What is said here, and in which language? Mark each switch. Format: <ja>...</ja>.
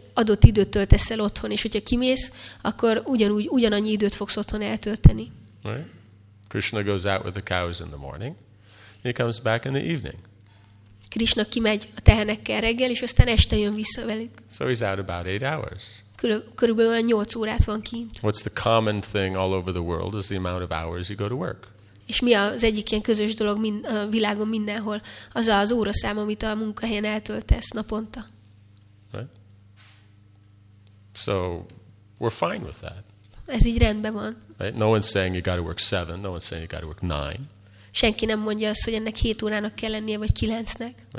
<hu>adott időt töltesz el otthon, és hogyha kimész, akkor ugyanúgy ugyanannyi időt fogsz otthon eltölteni.</hu> <en>Krishna goes out with the cows in the morning. He comes back in the evening.</en> <hu>Krishna kimegy a tehenekkel reggel, és aztán este jön vissza velük.</hu> <en>So he's out about 8 hours.</en> <hu>Körülbelül 8 órát van kint.</hu> <en>What's the common thing all over the world is the amount of hours you go to work.</en> <hu>És mi az egyik ilyen közös dolog a világon mindenhol, az az óraszám, amit a munkahelyen eltöltesz naponta.</hu> <en>Right? So we're fine with that.</en> <hu>Ez így rendben van.</hu> <en>Right? No one's saying you got to work 7, no one's saying you got to work 9.</en> <hu>Senki nem mondja azt, hogy ennek 7 órának kell lennie, vagy 9-nek.</hu>